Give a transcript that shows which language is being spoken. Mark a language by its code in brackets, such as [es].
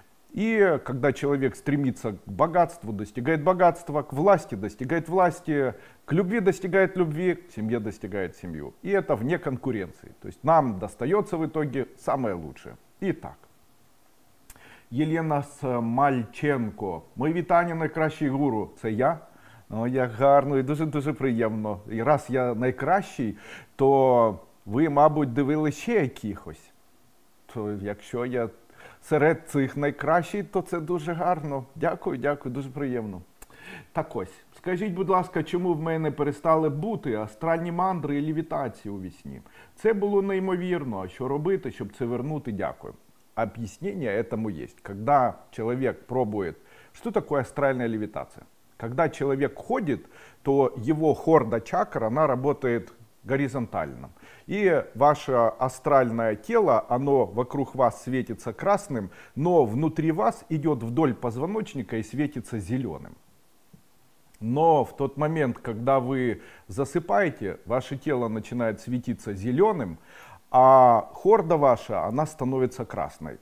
[ru] И когда человек стремится к богатству, достигает богатства, к власти достигает власти, к любви достигает любви, к семье достигает семью. И это вне конкуренции. То есть нам достается в итоге самое лучшее. Итак, Елена Смальченко. [uk] Мой вітання найкращий гуру. Це я? Ну, я гарно і дуже-дуже приємно. І раз я найкращий, то ви, мабуть, дивили ще якихось. То якщо я серед цих найкращий, то це дуже гарно. Дякую, дякую, дуже приємно. Так ось, скажіть, будь ласка, чому в мене перестали бути астральні мандри і лівітації у вісні? Це було неймовірно. А що робити, щоб це вернути? Дякую. Об'яснення цьому є. Коли чоловік пробує, що таке астральна лівітація? Коли чоловік ходить, то його хорда чакра, вона працює горизонтально. [ru] И ваше астральное тело, оно вокруг вас светится красным, но внутри вас идет вдоль позвоночника и светится зеленым. Но в тот момент, когда вы засыпаете, ваше тело начинает светиться зеленым, а хорда ваша, она становится красной.